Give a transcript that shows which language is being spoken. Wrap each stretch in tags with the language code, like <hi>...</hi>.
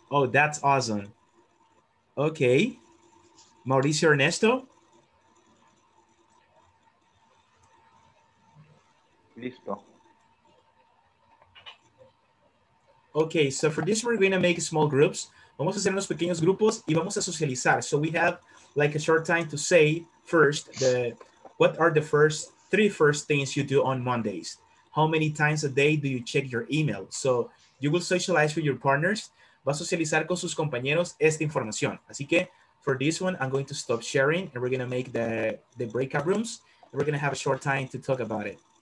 <en>Oh, that's awesome. Okay. Mauricio Ernesto.</en> <es>Listo.</es> <en>Okay, so for this, we're going to make small groups.</en> <es>Vamos a hacer unos pequeños grupos y vamos a socializar.</es> <en>So we have like a short time to say first, the what are the first three things you do on Mondays? How many times a day do you check your email? So you will socialize with your partners.</en> <es>Va a socializar con sus compañeros esta información. Así que</es> <en>for this one, I'm going to stop sharing and we're going to make the breakout rooms. And we're going to have a short time to talk about it.</en>